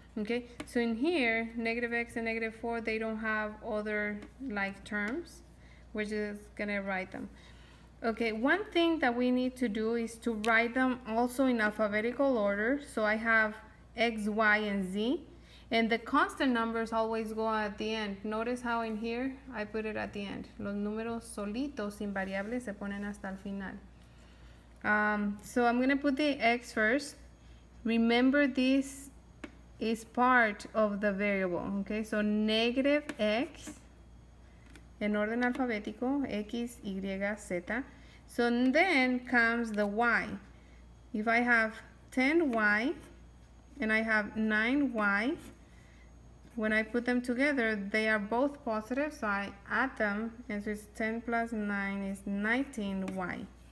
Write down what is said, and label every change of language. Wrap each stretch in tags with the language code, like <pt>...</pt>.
<en>Okay, so in here, negative x and negative 4, they don't have other like terms. We're just going to write them. Okay, one thing that we need to do is to write them also in alphabetical order. So I have x, y, and z. And the constant numbers always go at the end. Notice how in here, I put it at the end.</en> <es>Los números solitos, sin variables, se ponen hasta el final.</es> <en>So I'm going to put the x first. Remember this is part of the variable, okay? So negative x, in</en> <es>orden alfabético,</es> <en>x, y, z. So then comes the y. If I have 10y and I have 9y, when I put them together, they are both positive, so I add them, and so it's 10 plus 9 is 19y.</en>